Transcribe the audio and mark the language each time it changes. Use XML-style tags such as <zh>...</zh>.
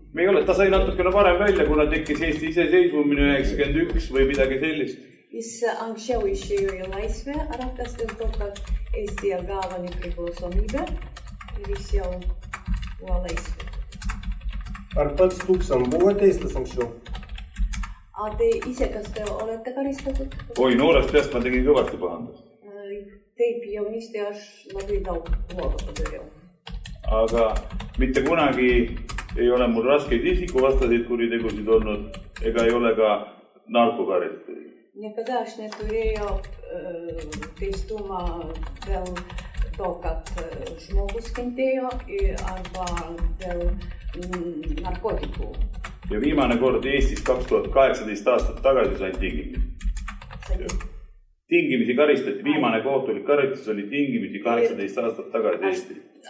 <et>Me ei ole, ta sai natukene varem välja, kuna tekis Eesti iseseisvumine 91 või midagi sellist.</et> <lt>Jis anksčiau išėjo į laisvę Arakas, dėl to, kad Eesti jau gavo nepriklausomybę. Ir jis jau buvo laisvė. Ar pats tūksam buvo teistas anksčiau?</lt> <et>A te ise, kas te olete karistatud? Oi, noorest peast ma tegin kõvasti pahandus.</et> <lt>Taip, jaunisti aš labai daug huolu padarėjau.</lt> <et>Aga mitte kunagi ei ole mul raskeid isiku vastasid, kuri tegusid olnud, ega ei ole ka narkokaristatud.</et> <lt>Niekada aš neturėjau teistuma vėl to, kad žmogus kentėjo arba dėl narkotikų.</lt> <et>Ja viimane kord Eestis 2018 aastat tagasi sai tingimisi. Tingimisi karistati, viimane kohtulik karistus oli tingimisi 18 aastat tagasi Eestis.</et>